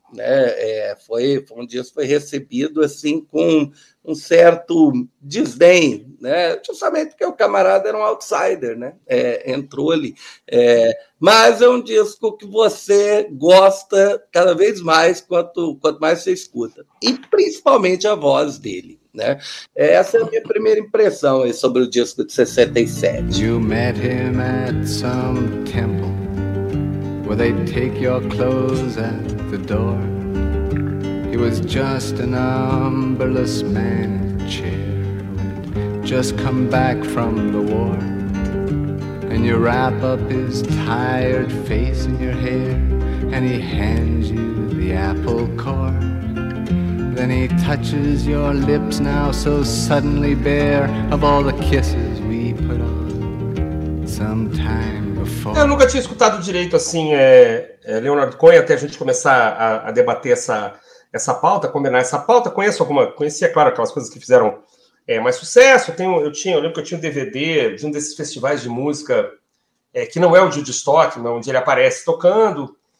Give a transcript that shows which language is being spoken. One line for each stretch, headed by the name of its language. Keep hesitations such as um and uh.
Portuguese: Né, é, foi, foi um dia foi recebido assim com um certo desdém, né, justamente porque o camarada era um outsider, né, entrou ali. mas é um disco que você gosta cada vez mais quanto, quanto mais você escuta. E principalmente a voz dele. Né? Essa é a minha primeira impressão sobre o disco de 67.
English: You met him at some temple where they take your clothes at the door. He was just an umberless man in a chair, just come back from the war. And you wrap up his tired face in your hair, and he hands you the apple core. Then he touches your lips now so suddenly bare of all the kisses we put on sometime before.
Portuguese: Eu nunca tinha escutado direito assim, é, é Leonardo Cohen, até a gente começar a, a, debater essa, essa pauta, combinar essa pauta. Conheço alguma, conhecia, claro, aquelas coisas que fizeram é, mais sucesso. Eu, tenho, eu, tinha, eu lembro que eu tinha um DVD de um desses festivais de música é, que não é o de estoque, onde ele aparece tocando.